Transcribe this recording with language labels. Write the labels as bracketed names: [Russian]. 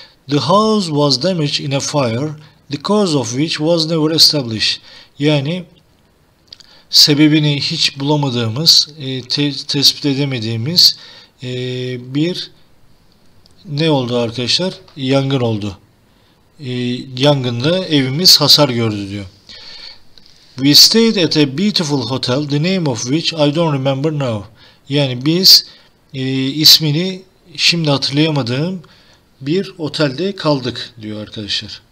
[English] The house was damaged in a fire, the cause of which was never established. [Turkish] Yani sebebini hiç bulamadığımız, tespit edemediğimiz bir ne oldu arkadaşlar? Yangın oldu. Yangında evimiz hasar gördü diyor. [English] We stayed at a beautiful hotel, the name of which I don't remember now. [Turkish] Yani biz ismini şimdi hatırlayamadığım bir otelde kaldık diyor arkadaşlar.